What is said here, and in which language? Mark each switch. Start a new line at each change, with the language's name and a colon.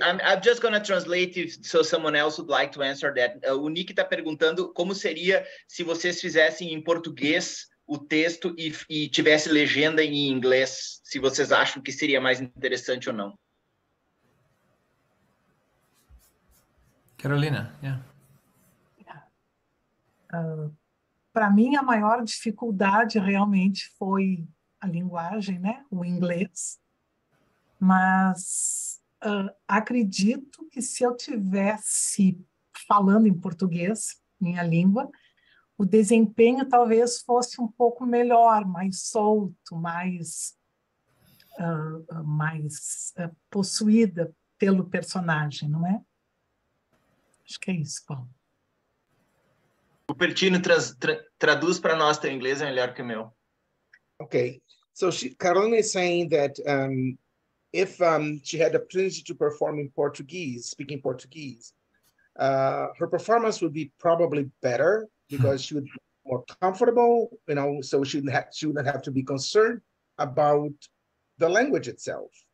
English: I'm just going to translate if so someone else would like to answer that.
Portuguese: O Nick está perguntando como seria se vocês fizessem em português o texto e tivesse legenda em inglês, se vocês acham que seria mais interessante ou não.
English: Carolina, yeah.
Portuguese: Para mim, a maior dificuldade realmente foi a linguagem, né? O inglês. Mas acredito que se eu tivesse falando em português, minha língua, o desempenho talvez fosse um pouco melhor, mais solto, mais possuída pelo personagem, não é? Acho que é isso, Paulo. O Pertino traduz para nós, teu inglês é melhor que o meu.
English: Ok. So, Carolina is saying that if she had the opportunity to perform in Portuguese, speaking Portuguese, her performance would be probably better, because she would be more comfortable, you know, so she wouldn't have to be concerned about the language itself.